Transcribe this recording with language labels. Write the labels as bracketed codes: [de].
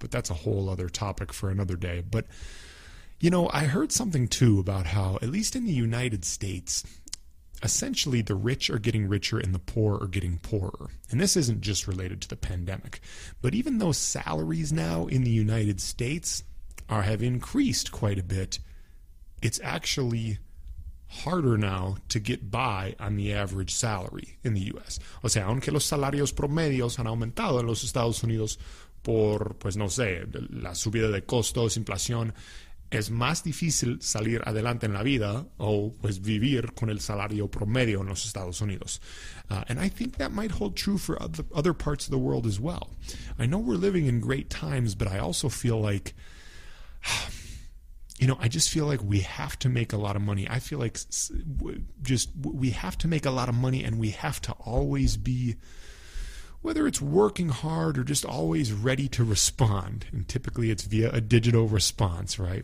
[en] But that's a whole other topic for another day. But, you know, I heard something too about how, at least in the United States, essentially, the rich are getting richer and the poor are getting poorer. And this isn't just related to the pandemic. But even though salaries now in the United States have increased quite a bit, it's actually harder now to get by on the average salary in the U.S. [es] O sea, aunque los salarios promedios han aumentado en los Estados Unidos por, pues no sé, la subida de costos, inflación, es más difícil salir adelante en la vida o pues vivir con el salario promedio en los Estados Unidos. [en] And I think that might hold true for other parts of the world as well. I know we're living in great times, but I also feel like, you know, I just feel like we have to make a lot of money. I feel like just we have to make a lot of money, and we have to always be, whether it's working hard or just always ready to respond, and typically it's via a digital response, right?